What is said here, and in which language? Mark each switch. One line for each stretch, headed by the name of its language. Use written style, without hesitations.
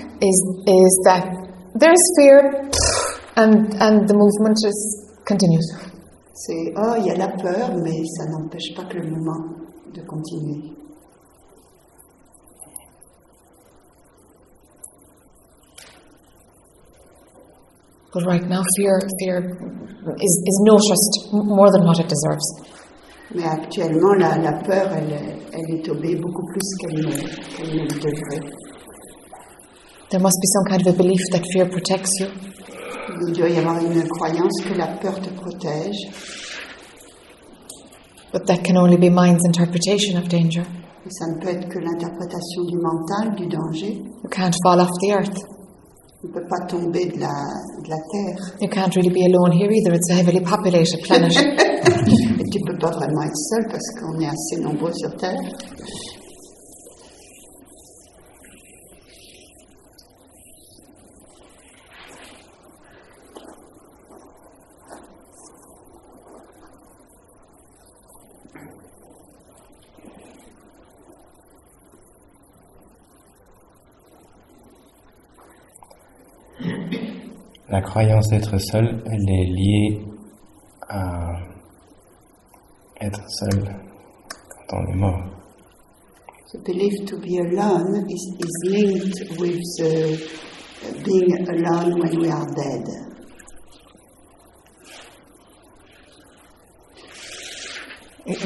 English: Is that there is fear, and the movement just continues.
French: C'est il y a la peur, mais ça n'empêche pas que le mouvement de continuer.
English: But right now, fear is noticed more than what it deserves.
French: Mais actuellement, la peur, elle est obéie beaucoup plus qu'elle ne le devrait.
English: There must be some kind of a belief that fear protects you.
French: Il doit y avoir une croyance que la peur te protège.
English: But that can only be mind's interpretation of danger.
French: Mais ça ne peut être que l'interprétation du mental du danger.
English: You can't fall off the earth.
French: On ne peut pas tomber de la terre.
English: You can't really be alone here either. It's a heavily populated planet.
French: Et tu ne peux pas vraiment être seul parce qu'on est assez nombreux sur Terre. La croyance d'être seul, elle est liée à être seul quand on est mort.
English: The belief to be alone is linked with the being alone when we are dead.